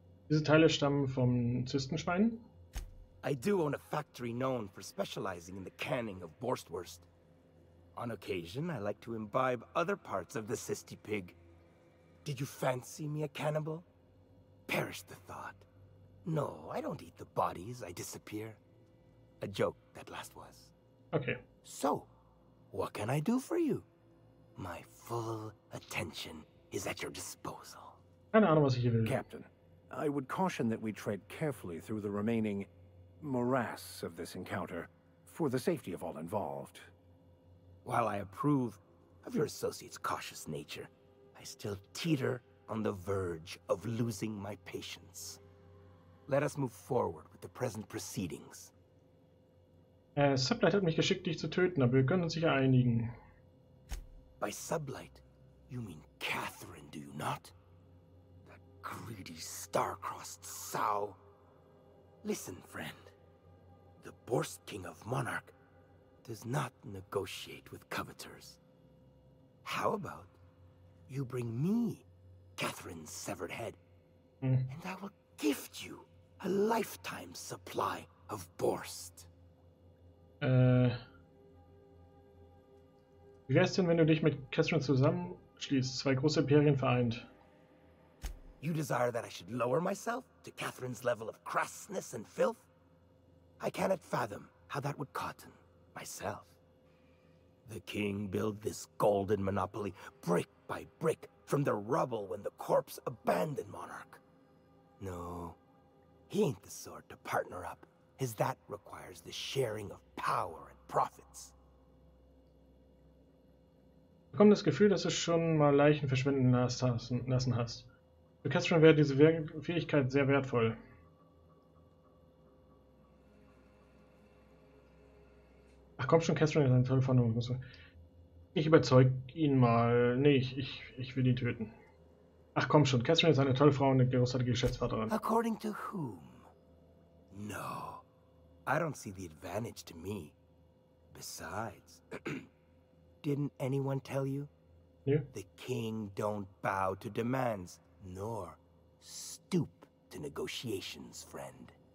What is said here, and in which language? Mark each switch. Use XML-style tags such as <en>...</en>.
<de>Diese Teile stammen vom Zistenschwein?</de> <en>I do own a factory known for specializing in the canning of Borstwurst. On occasion, I like to imbibe other parts of the Sisti Pig. Did you fancy me a cannibal? Perish the thought. No, I don't eat the bodies, I disappear. A joke, that last was. Okay. So, what can I do for you? My full attention is at your disposal.</en> <de>Keine Ahnung, was ich hier will.</de> <en>Captain, I would caution that we tread carefully through the remaining morass of this encounter, for the safety of all involved. While I approve of your associate's cautious nature, I still teeter on the verge of losing my patience. Let us move forward with the present proceedings.</en> <de>Sublight hat mich geschickt, dich zu töten, aber wir können uns sicher einigen.</de> <en>By Sublight, you mean Catherine, do you not? That greedy star-crossed sow. Listen, friend. The Borst King of Monarch does not negotiate with coveters. How about you bring me Catherine's severed head, and I will gift you a lifetime supply of Borst.</en> <de>Wie wär's denn, wenn du dich mit Catherine zusammenschließt, zwei große Imperien vereint?</de> <en>You desire that I should lower myself to Catherine's level of crassness and filth? I cannot fathom how that would cotton myself. The king built this golden monopoly brick by brick from the rubble when the corpse abandoned Monarch. No, he ain't the sort to partner up, as that requires the sharing of power and profits.</en> <de>Ich bekomme das Gefühl, dass du schon mal Leichen verschwinden lassen hast. Für Catherine wäre diese Fähigkeit sehr wertvoll. Ach komm schon, Catherine ist eine tolle Vernunft. Ich überzeug ihn mal. Nee, ich will ihn töten. Ach komm schon, Catherine ist eine tolle Frau und eine großartige Geschäftspartnerin.</de> <en>According to whom? No. I don't see the advantage to me. Besides, didn't anyone tell you? Yeah. The king don't bow to demands, nor stoop to negotiations, friend.</en>